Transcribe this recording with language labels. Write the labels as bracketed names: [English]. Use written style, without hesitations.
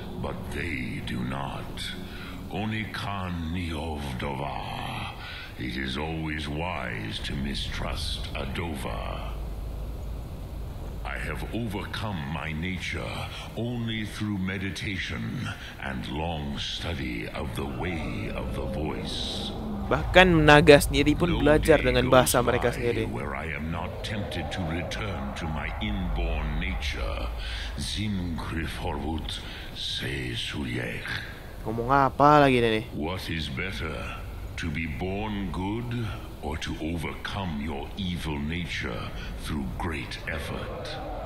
[English] But they do not. Onikan Niov Dova. It is always wise to mistrust a Dova. I have overcome my nature only through meditation and long study of the way of the voice. [Indonesian] Bahkan naga sendiri pun belajar dengan bahasa mereka sendiri. [English] Where I am not tempted to return to my inborn nature. Zimgriforvut se suyeh. [Indonesian] Ngomong apa lagi ini? [English] What is better, to be born good or to overcome your evil nature through great effort?